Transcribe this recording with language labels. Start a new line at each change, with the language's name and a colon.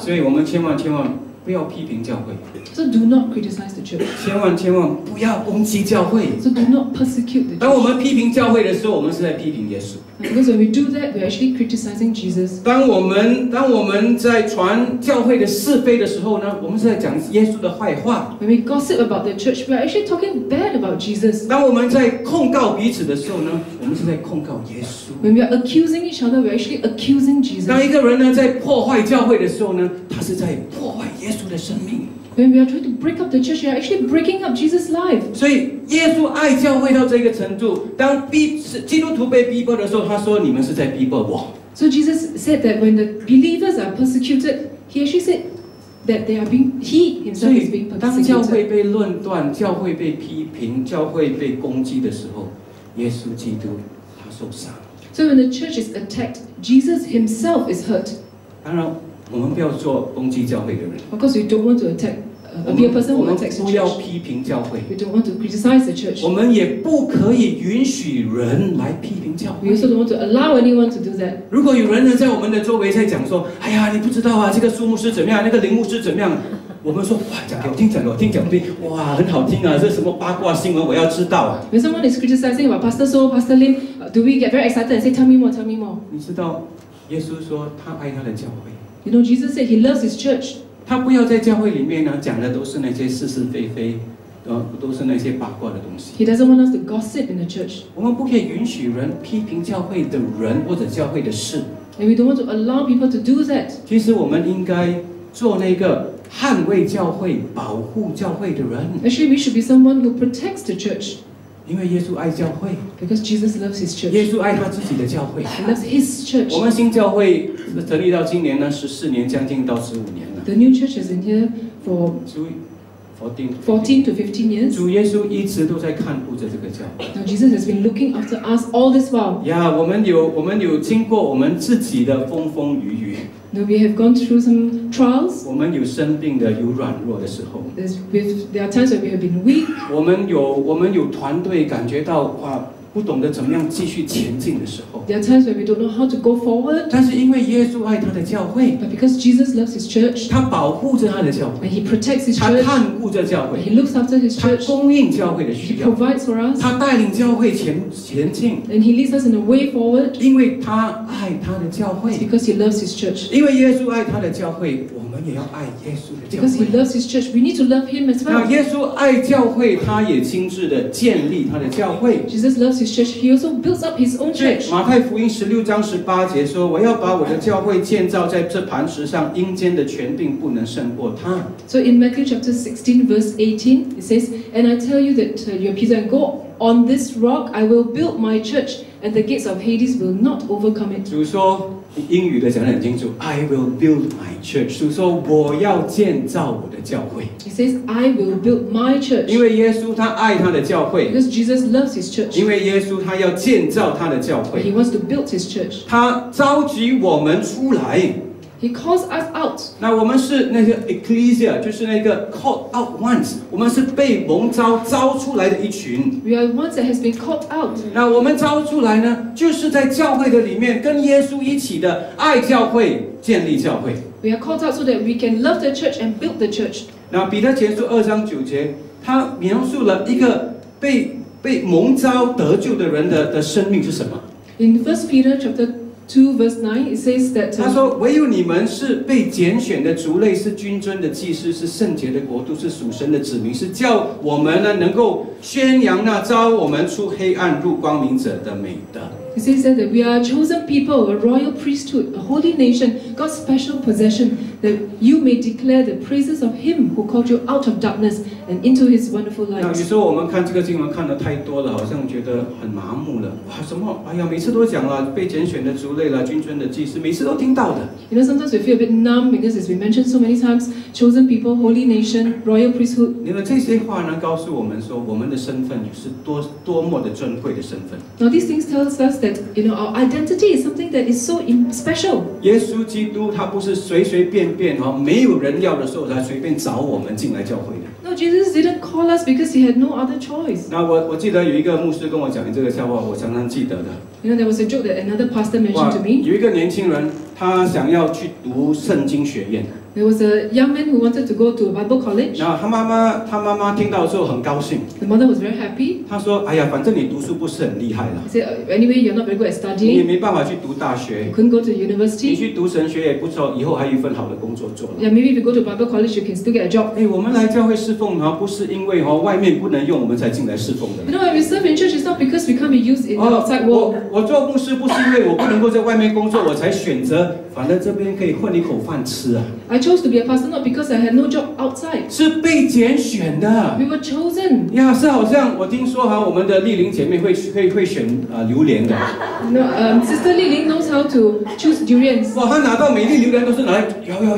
Chinese: 所以我们千万千万不要批评教会。
English: So do not criticize the church.
Chinese: 千万千万不要攻击教会。
English: So do not persecute the church.
Chinese: 当我们批评教会的时候，我们是在批评耶稣。
English: Because when we do that, we're actually criticizing Jesus.
Chinese: 当我们在传教会的是非的时候呢，我们是在讲耶稣的坏话。
English: When we gossip about the church, we're actually talking bad about Jesus.
Chinese: 当我们在控告彼此的时候呢，我们是在控告耶稣。
English: When we are accusing each other, we're actually accusing Jesus.
Chinese: 当一个人呢在破坏教会的时候呢，他是在破坏耶稣。耶稣的生命。
English: When we are trying to break up the church, we are actually breaking up Jesus' life.
Chinese: 所以耶稣爱教会到这个程度，当基督徒被逼迫的时候，他说：“你们是在逼迫我。”
English: So Jesus said that when the believers are persecuted, he actually said that they are being he himself is being persecuted.
Chinese: 当教会被论断、教会被批评、教会被攻击的时候，耶稣基督他受伤。
English: So when the church is attacked, Jesus himself is hurt.
Chinese: 当然。我们不要做攻击教会的人。
English: Of course, we don't want to attack a person.
Chinese: 我们不要批评教会。
English: We don't want to criticize the church.
Chinese: 我们也不可以允许人来批评教会。
English: We also don't want to allow anyone to do that.
Chinese: 如果有人呢在我们的周围在讲说，哎呀，你不知道啊，这个苏牧师怎么样，那个林牧师怎么样？我们说哇，讲给我听，讲给我听，讲给我听，哇，很好听啊，这什么八卦新闻，我要知道啊。
English: When someone is criticizing about Pastor So, Pastor Lim, do we get very excited and say, "Tell me more, tell me more"?
Chinese: 你知道，耶稣说他爱他的教会。
English: You know, Jesus said he loves his church.
Chinese: 他不要在教会里面呢讲的都是那些是是非非，都是那些八卦的东西。
English: He doesn't want us to gossip in the church.
Chinese: 我们不可以允许人批评教会的人或者教会的事。
English: And we don't want to allow people to do that.
Chinese: 其实我们应该做那个捍卫教会、保护教会的人。
English: Actually, we should be someone who protects the church.
Chinese: 因为耶稣爱教会。
English: Because Jesus loves his church.
Chinese: 耶稣爱他自己的教会。
English: He loves his church.
Chinese: 我们新教会。成立到今年呢，14年，将近到15年了。
English: The new church is in here for 14 to 15 years.
Chinese: 主耶稣一直都在看顾着这个教会。
English: Now Jesus has been looking after us all this while.
Chinese: Yeah, 我们有经过我们自己的风风雨雨。
English: Now we have gone through some trials.
Chinese: 我们有生病的，有软弱的时候。
English: There are times when we have been weak.
Chinese: 我们有团队感觉到哇。不懂得怎么样继续前进的时候。
English: There are times when we don't know how to go forward.
Chinese: 但是因为耶稣爱他的教会。
English: But because Jesus loves his church.
Chinese: 他保护着他的教会。
English: And he protects his church.
Chinese: 他看顾着教会。
English: And he looks after his church.
Chinese: 他供应教会的需要。
English: He provides for us.
Chinese: 他带领教会前进。
English: And he leads us in a way forward.
Chinese: 因为他爱他的教会。
English: It's because he loves his church.
Chinese: 因为耶稣爱他的教会，我们也要爱耶稣的教会。
English: Because he loves his church, we need to love him as well.
Chinese: 那耶稣爱教会，他也亲自的建立他的教会。
English: Jesus loves his church, he also builds up his own church.
Chinese: 马太福音16:18说，我要把我的教会建造在这磐石上，阴间的权柄不能胜过他。
English: So in Matthew chapter 16:18, it says, And I tell you that you are Peter, and go on this rock, I will build my church, and the gates of Hades will not overcome it.
Chinese: 主说，英语的讲得很清楚，
English: I will build my church.
Chinese: 主说，我要建造我的教会。
English: He says, I will build my church.
Chinese: 因为耶稣他爱他的教会。
English: Because Jesus loves his church.
Chinese: 因为耶稣他要建造他的教会。
English: He wants to build his church.
Chinese: 他召集我们出来。
English: He calls us out.
Chinese: 那我们是那个 ecclesia， 就是那个
English: called out ones。
Chinese: 我们是被蒙召召出来的一群。
English: We are ones that has been called out.
Chinese: 那我们召出来呢，就是在教会的里面跟耶稣一起的爱教会，建立教会。
English: We are called out so that we can love the church and build the church.
Chinese: 那彼得前书2:9，他描述了一个被蒙召得救的人的生命是什么
English: ？In First Peter chapter2:9, it says that
Chinese: 他说唯有你们是被拣选的族类，是君尊的祭司，是圣洁的国度，是属神的子民，是叫我们呢能够宣扬那召我们出黑暗入光明者的美德。
English: It says that we are chosen people, a royal priesthood, a holy nation, God's special possession, that you may declare the praises of Him who called you out of darkness and into His wonderful light.
Chinese: 有时候我们看这个经文看得太多了，好像觉得很麻木了。哇，什么？哎呀，每次都讲了，被拣选的族类了，君尊的祭司，每次都听到的。
English: You know, sometimes we feel a bit numb because it's been mentioned so many times. Chosen people, holy nation, royal priesthood.
Chinese: 你们这些话呢，告诉我们说，我们的身份是多么的尊贵的身份。
English: Now these things tell us. That you know our identity is something that is so special.
Chinese: 耶稣基督他不是随随便便哈，没有人要的时候才随便找我们进来教会的。
English: No, Jesus didn't call us because he had no other choice.
Chinese: 那我记得有一个牧师跟我讲这个笑话，我常常记得的。
English: You know there was a joke that another pastor mentioned to me.
Chinese: 有一个年轻人他想要去读圣经学院。
English: There was a young man who wanted to go to a Bible college.
Chinese: 那他妈妈听到之后很高兴。
English: The mother was very happy.
Chinese: 她说：“哎呀，反正你读书不是很厉害了。”
English: He said, "Anyway, you're not very good at studying.
Chinese: 你也没办法去读大学。
English: You couldn't go to university.
Chinese: 你去读神学也不错，以后还有一份好的工作做了。
English: Yeah, maybe if you go to Bible college, you can still get a job.
Chinese: 哎，我们来教会侍奉哈，不是因为哈外面不能用我们才进来侍奉的。
English: You know, we serve in church is not because we can't be used in the outside world.
Chinese: 我做牧师不是因为我不能够在外面工作，我才选择，反正这边可以混一口饭吃啊。
English: I chose to be a pastor not because I had no job outside.
Chinese: 是被拣选的。
English: We were chosen.
Chinese: 呀，是好像我听说哈，我们的丽玲姐妹会选榴莲的。
English: No, Sister Li Ling knows how to choose durians.
Chinese: 哇，她拿到每粒榴莲都是拿来摇。